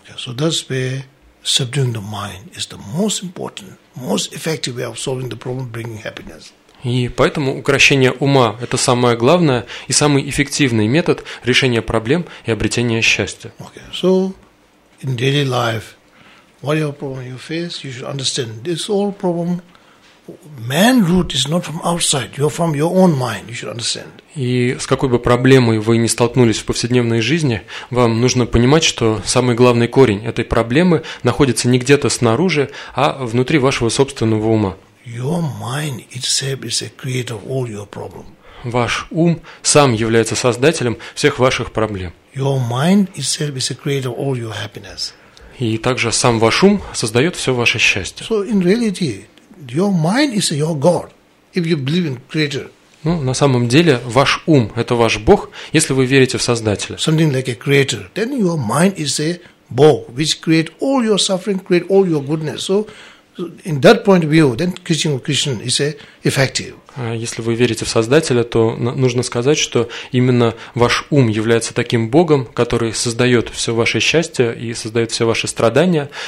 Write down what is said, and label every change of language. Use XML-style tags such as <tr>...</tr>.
<en>Okay, so that's where subduing the mind is the most important, most effective way of solving the problem, bringing happiness.</en> <ru>И поэтому укрощение ума – это самое главное и самый эффективный метод решения проблем и обретения счастья.</ru> <en>Okay, so in daily life, whatever problem you face, you should understand this all problem. Man root is not from outside. You're from your own mind. You should understand.</en> <ru>И с какой бы проблемой вы ни столкнулись в повседневной жизни, вам нужно понимать, что самый главный корень этой проблемы находится не где-то снаружи, а внутри вашего собственного ума.</ru> <en>Your mind itself is a creator of all your problems.</en> <ru>Ваш ум сам является создателем всех ваших проблем.</ru> <en>Your mind itself is a creator of all your happiness.</en> <ru>И также сам ваш ум создает все ваше счастье.</ru> <en>So in reality. Your mind is your God, if you believe in Creator.</en> <ru>Ну, на самом деле, ваш ум – это ваш Бог, если вы верите в Создателя.</ru> <en>Something like a Creator. Then your mind is a Бог, which create all your suffering, create all your goodness. So, in that point of view, then teaching of Krishna is effective.</en> <ru>Если вы верите в Создателя, то нужно сказать, что именно ваш ум является таким Богом, который создает все ваше счастье и создает все ваши страдания.</ru>